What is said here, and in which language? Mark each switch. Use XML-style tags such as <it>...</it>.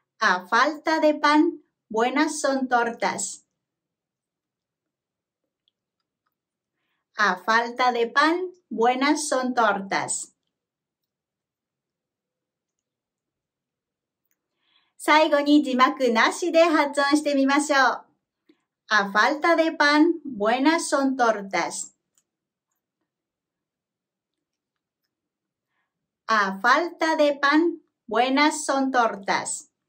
<es>A falta de pan, buenas son tortas. A falta de pan, buenas son tortas.</es> <ja>最後に字幕なしで発音してみましょう。</ja> <es>A falta de pan, buenas son tortas. A falta de pan, buenas son tortas.</es>